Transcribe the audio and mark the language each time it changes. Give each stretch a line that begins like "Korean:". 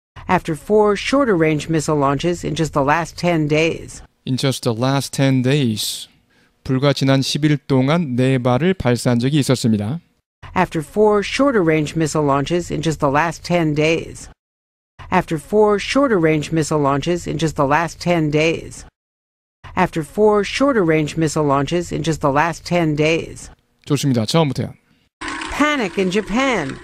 English: After 4 shorter range missile launches in just the last 10 days. In just the last 10 days.
Korean: 불과 지난 10일 동안 네 발을 발사한 적이 있었습니다.
English: After 4 shorter range missile launches in just the last 10 days. After 4 shorter range missile launches in just the last 10 days. After 4 shorter range missile launches in just the last 10 days.
Korean: 좋습니다. 처음부터요.
English: Panic in Japan.